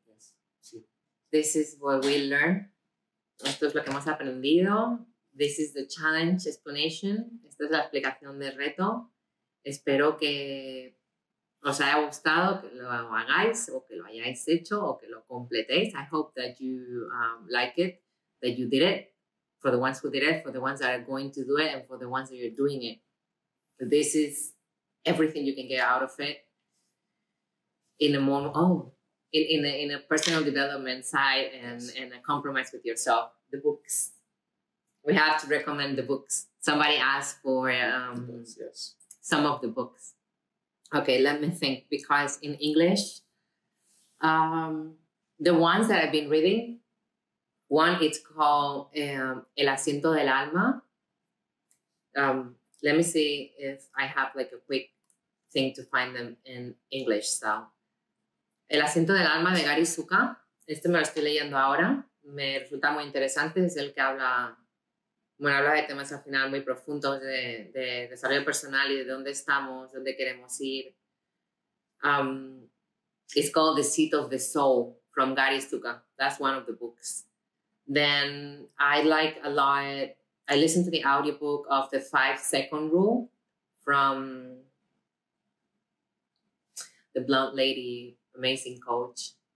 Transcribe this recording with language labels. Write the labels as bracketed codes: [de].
[en] Yes. [es] Sí. [en] This is what we learned. [es] Esto es lo que hemos aprendido. [en] This is the challenge explanation. [es] Esta es la explicación del reto. Espero que os haya gustado, que lo hagáis o que lo hayáis hecho o que lo completéis. [en] I hope that you like it, that you did it. For the ones who did it, for the ones that are going to do it, and for the ones that you're doing it. But this is everything you can get out of it in a more, in a personal development side and a compromise with yourself. The books. We have to recommend the books. Somebody asked for some of the books. Okay, let me think, because in English, the ones that I've been reading, one, it's called El Asiento del Alma. Let me see if I have like a quick thing to find them in English. [es] So, El Asiento del Alma de Gary Zukav. Este me lo estoy leyendo ahora. Me resulta muy interesante. Es el que habla, bueno, habla de temas al final muy profundos de desarrollo personal y de dónde estamos, dónde queremos ir. [en] It's called The Seat of the Soul from Gary Zukav. That's one of the books. Then I like a lot, I listen to the audiobook of The 5-Second Rule from the Blunt Lady, amazing coach.